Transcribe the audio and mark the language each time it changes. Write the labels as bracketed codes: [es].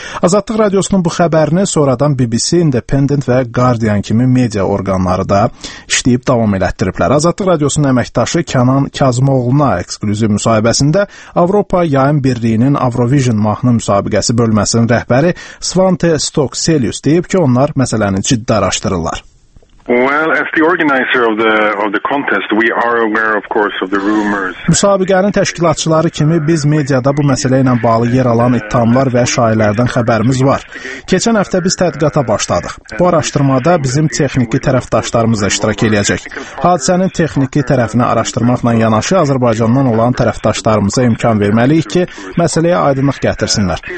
[az] Azadlıq Radiosunun bu xəbərini sonradan BBC, Independent və Guardian kimi media orqanları da işləyib davam elətdiriblər. Azadlıq Radiosunun əməkdaşı Kənan Kazımoğluna eksklüziv müsahibəsində Avropa Yayın Birliyinin Eurovision mahnı müsabiqəsi bölməsinin rəhbəri Svante Stok Selius deyib ki, onlar məsələni ciddi araşdırırlar. [en] Well, as the organizer of the contest, we are aware, of course, of the rumors. [az] Müsabiqənin təşkilatçıları kimi biz mediada bu məsələ ilə bağlı yer alan ittihamlar və şayələrdən xəbərimiz var. Keçən həftə biz tədqiqata başladıq. Bu araşdırmada bizim texniki tərəfdaşlarımız da iştirak edəcək. Hadisənin texniki tərəfini araşdırmaqla yanaşı, Azərbaycandan olan tərəfdaşlarımıza imkan verməliyik ki, məsələyə aydınlıq gətirsinlər.